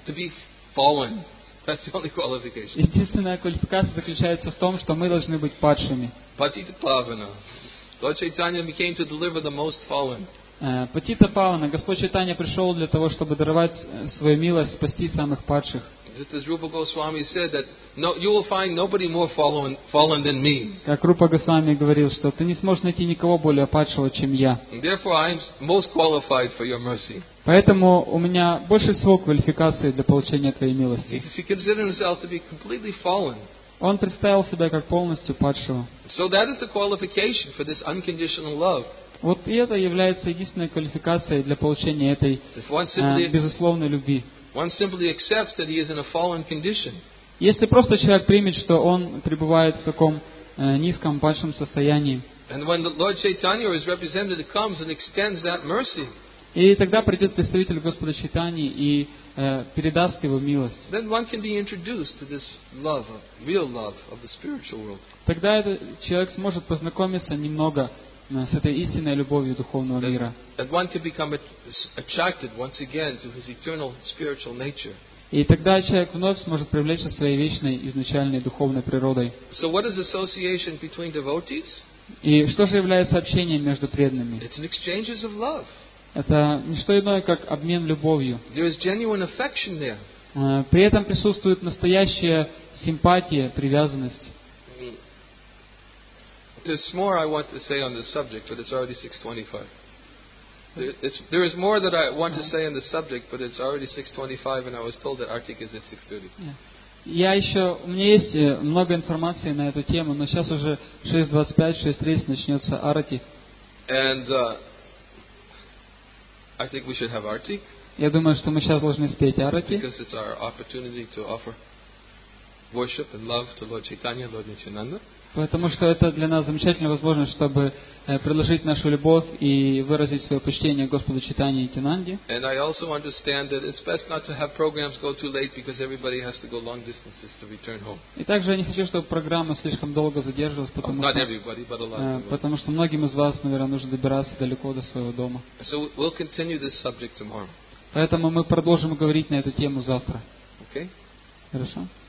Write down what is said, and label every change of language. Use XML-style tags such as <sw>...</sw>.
<en>To be fallen. That's the only qualification.</en> <ru>Единственная квалификация заключается в том, что мы должны быть падшими.</ru> <en>Patita Pavana. Lord Chaitanya came to deliver the most fallen. Patita Pavana.</en> <ru>Господь Чайтанья пришел для того, чтобы даровать свою милость, спасти самых падших.</ru> <en>Just as Rupa Goswami said that no, you will find nobody more fallen than me.</en> <ru>Как Рупа Госвами говорил, что ты не сможешь найти никого более падшего, чем я.</ru> <en>Therefore, I am most qualified for your mercy.</en> <ru>Поэтому у меня больше всего квалификации для получения твоей милости.</ru> <en>He considered himself to be completely fallen.</en> <ru>Он представил себя как полностью падшего.</ru> <en>So that is the qualification for this unconditional love.</en> <ru>Вот и это является единственной квалификацией для получения этой безусловной любви.</ru> <en>One simply accepts that he is in a fallen condition.</en> <ru>Если просто человек примет, что он пребывает в таком низком, падшем состоянии.</ru> <en>And when the Lord Chaitanya or his representative comes and extends that mercy.</en> <ru>И тогда придет представитель Господа Чайтаньи и передаст его милость.</ru> <en>Then one can be introduced to this love, real love of the spiritual world.</en> <ru>Тогда этот человек сможет познакомиться немного с этой истинной любовью духовного мира.</ru> <en>That one can become attracted once again to his eternal spiritual nature.</en> <ru>И тогда человек вновь сможет привлечься своей вечной изначальной духовной природой.</ru> <en>So what is association between devotees?</en> <ru>И что же является общением между преданными?</ru> <en>It's an exchange of love.</en> <ru>Это не что иное, как обмен любовью.</ru> <en>There is genuine affection there.</en> <ru>При этом присутствует настоящая симпатия, привязанность.</ru> <en>There's more I want to say on this subject, but it's already 6:25. There is more that I want to say on this subject, but it's already 6:25, and I was told that Artik is at 6:30.</en> <ru>Я еще, у меня есть много информации на эту тему, но сейчас уже 6:25, 6:30 начнется Арати.</ru> <en>And I think we should have arti.</en> <ru>Я думаю, что мы сейчас должны спеть арати.</ru> <en>Because it's our opportunity to offer worship and love to Lord Chaitanya, Lord Nityananda.</en> <ru>Потому что это для нас замечательная возможность, чтобы предложить нашу любовь и выразить свое почтение Господу Чайтанье и Тинанде.</ru> <en>And I also understand that it's best not to have programs go too late because everybody has to go long distances to return home.</en> <ru>И также я не хочу, чтобы программа слишком долго задерживалась, потому что многим из вас, наверное, нужно добираться далеко до своего дома.</ru> <en>So we'll continue this subject tomorrow.</en> <ru>Поэтому мы продолжим говорить на эту тему завтра.</ru> <en>Okay.</en> <ru>Хорошо.</ru>